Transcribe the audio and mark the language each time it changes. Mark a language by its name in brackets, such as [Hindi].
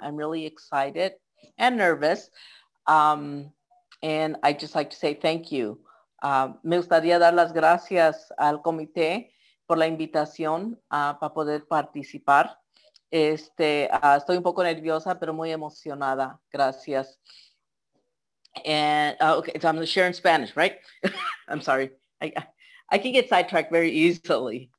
[English] I'm really excited and nervous. And I'd just like to say thank you. [Spanish] Me gustaría dar las gracias al comité por la invitación para poder participar. Estoy un poco nerviosa, pero muy emocionada. Gracias. [English] Okay, so I'm gonna share in Spanish, right? I'm sorry. I can get sidetracked very easily.